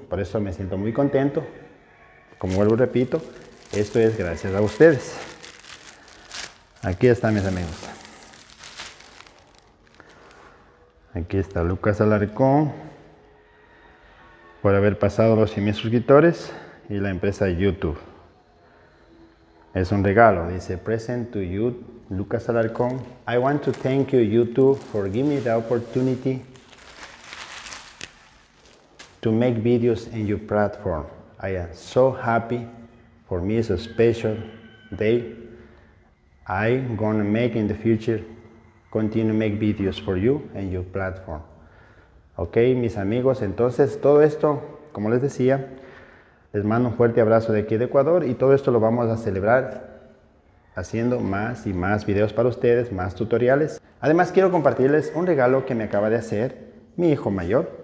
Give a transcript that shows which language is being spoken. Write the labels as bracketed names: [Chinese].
[Spanish] Por eso me siento muy contento. Como vuelvo y repito, esto es gracias a ustedes. Aquí está, mis amigos. Aquí está Lucas Alarcón por haber pasado los 100.000 suscriptores y la empresa YouTube. Es un regalo, dice: [English] "Present to you, [Spanish] Lucas Alarcón. [English] I want to thank you, YouTube, for giving me the opportunity to make videos in your platform. I am so happy. For me, it's a special day. I'm going to make in the future, continue to make videos for you and your platform." [Spanish] Ok, mis amigos, entonces todo esto, como les decía, les mando un fuerte abrazo de aquí de Ecuador, y todo esto lo vamos a celebrar haciendo más y más videos para ustedes, más tutoriales. Además, quiero compartirles un regalo que me acaba de hacer mi hijo mayor.